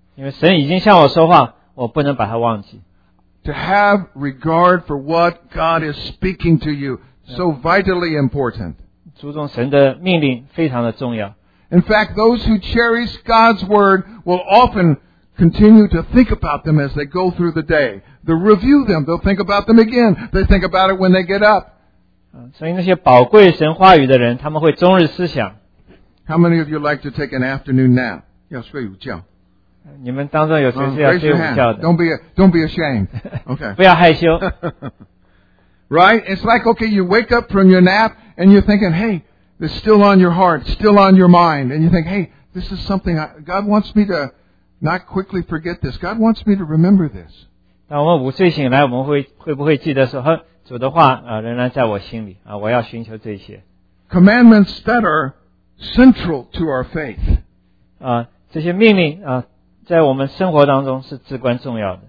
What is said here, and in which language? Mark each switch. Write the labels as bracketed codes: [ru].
[zh] 因为神已经向我说话我不能把它忘记。 [en] To have regard for what God is speaking to you, so vitally important. [zh] 注重神的命令非常的重要。 [en] In fact, those who cherish God's word will often continue to think about them as they go through the day. They'll review them. They'll think about them again. They think about it when they get up. [zh] 所以那些宝贵神话语的人，他们会终日思想。 [en] How many of you like to take an afternoon nap? [zh] 要睡午觉。你们当中有谁是要睡午觉的 [en] ？Don't be ashamed. Okay. [zh] 不要害羞。 [en] Right? It's like, okay, you wake up from your nap and you're thinking, hey, it's still on your heart, still on your mind. And you think, hey, this is something God wants me to not quickly forget this. God wants me to remember this. [zh] 当我们午睡醒来，我们会不会记得说，主的话仍然在我心里我要寻求这些。 [en] Commandments that are central to our faith. [zh] 这些命令在我们生活当中是至关重要的。